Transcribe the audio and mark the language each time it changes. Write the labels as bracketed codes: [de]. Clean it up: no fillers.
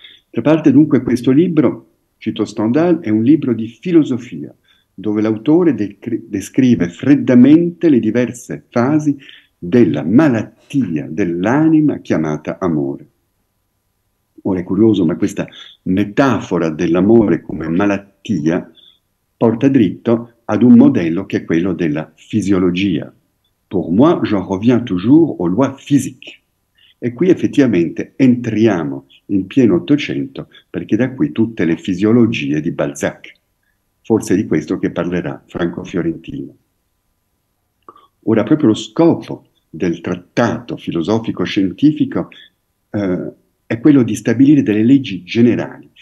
[it] Tra parte dunque questo libro, cito Stendhal, è un libro di filosofia, dove l'autore descrive freddamente le diverse fasi della malattia dell'anima chiamata amore. Ora è curioso, ma questa metafora dell'amore come malattia porta dritto ad un modello che è quello della fisiologia. [fr] Pour moi, je reviens toujours aux lois physiques. [it] E qui effettivamente entriamo in pieno Ottocento, perché da qui tutte le fisiologie di Balzac. Forse di questo che parlerà Franco Fiorentino. Ora, proprio lo scopo del trattato filosofico-scientifico è quello di stabilire delle leggi generali.